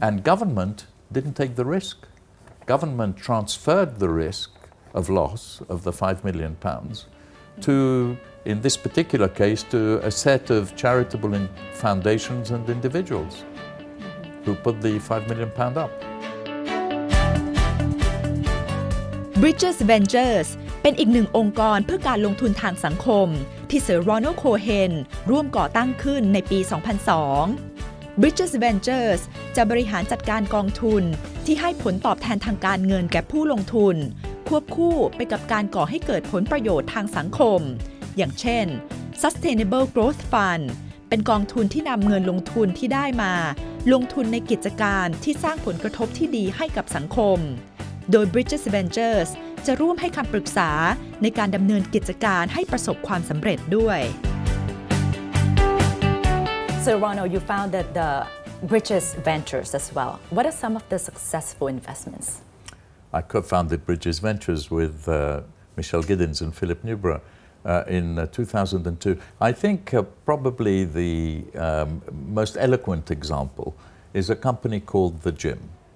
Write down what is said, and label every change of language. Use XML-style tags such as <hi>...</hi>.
<en>And government didn't take the risk. Government transferred the risk of loss of the £5 million to, in this particular case, to a set of charitable foundations and individuals who put the £5 million up.</en> <th>Bridges Ventures เป็นอีกหนึ่งองค์กรเพื่อการลงทุนทางสังคมที่เซอร์รอนัลด์โคเฮนร่วมก่อตั้งขึ้นในปี2002 Bridges Ventures จะบริหารจัดการกองทุนที่ให้ผลตอบแทนทางการเงินแก่ผู้ลงทุนควบคู่ไปกับการก่อให้เกิดผลประโยชน์ทางสังคมอย่างเช่น Sustainable Growth Fund เป็นกองทุนที่นำเงินลงทุนที่ได้มา ลงทุนในกิจการที่สร้างผลกระทบที่ดีให้กับสังคมโดย Bridges Ventures จะร่วมให้คำปรึกษาในการดำเนินกิจการให้ประสบความสำเร็จด้วย</th> <en>So Ronald, you founded the Bridges Ventures as well. What are some of the successful investments? I co-founded Bridges Ventures with Michelle Giddens and Philip Newborough in 2002. I think probably the most eloquent example is a company called The Gym.</en>